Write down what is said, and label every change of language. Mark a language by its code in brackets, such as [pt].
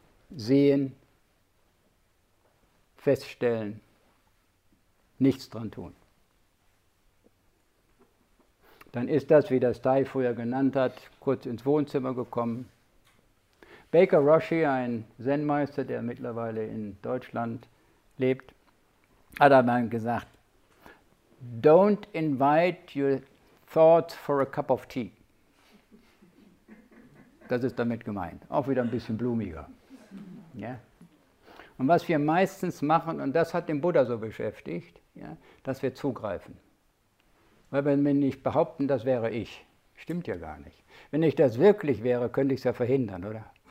[de] Sehen, feststellen. Nichts dran tun. Dann ist das, wie das Tai früher genannt hat, kurz ins Wohnzimmer gekommen. Baker Roshi, ein Zen-Meister, der mittlerweile in Deutschland lebt, hat dann gesagt, [en] Don't invite your thoughts for a cup of tea. [de] Das ist damit gemeint. Auch wieder ein bisschen blumiger. Ja? Und was wir meistens machen, und das hat den Buddha so beschäftigt, ja, dass wir zugreifen. Weil wenn wir nicht behaupten, das wäre ich, stimmt ja gar nicht. Wenn ich das wirklich wäre, könnte ich es ja verhindern, oder?